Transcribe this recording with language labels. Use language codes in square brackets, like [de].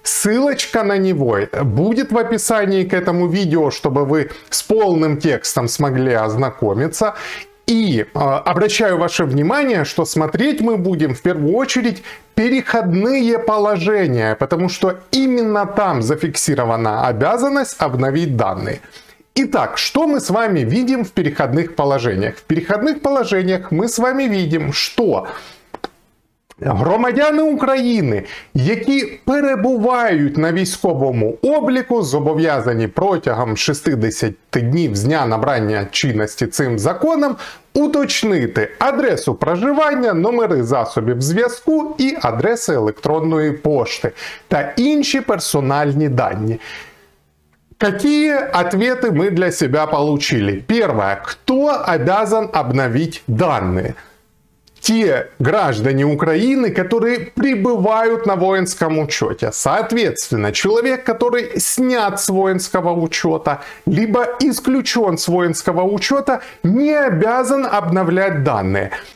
[ru] Ссылочка на него будет в описании к этому видео, чтобы вы с полным текстом смогли ознакомиться. И обращаю ваше внимание, что смотреть мы будем в первую очередь переходные положения, потому что именно там зафиксирована обязанность обновить данные. Итак, что мы с вами видим в переходных положениях? В переходных положениях мы с вами видим, [uk] что громадяни України, які перебувають на військовому обліку, зобов'язані протягом 60 днів з дня набрання чинності цим законом, уточнити адресу проживання, номери засобів зв'язку і адреси електронної пошти та інші персональні дані. [ru] Какие ответы мы для себя получили? Первое. Кто обязан обновить данные? Те граждане Украины, которые пребывают на воинском учете. Соответственно, человек, который снят с воинского учета, либо исключен с воинского учета, не обязан обновлять данные.